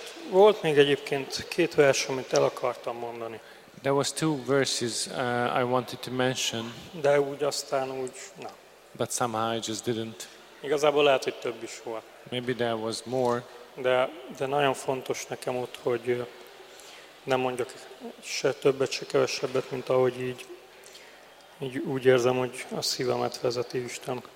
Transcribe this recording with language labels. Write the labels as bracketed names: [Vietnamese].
[Hungarian] Volt még egyébként két vers, amit el akartam mondani. [English] There was two verses I wanted to mention. [Hungarian] De úgy aztán úgy, na. [English] But somehow I just didn't. [Hungarian] Igazából lehet, hogy több is volt. [English] Maybe there was more. [Hungarian] De nagyon fontos nekem ott, hogy nem mondjak se többet, se kevesebbet, mint ahogy így úgy érzem, hogy a szívemet vezeti Isten.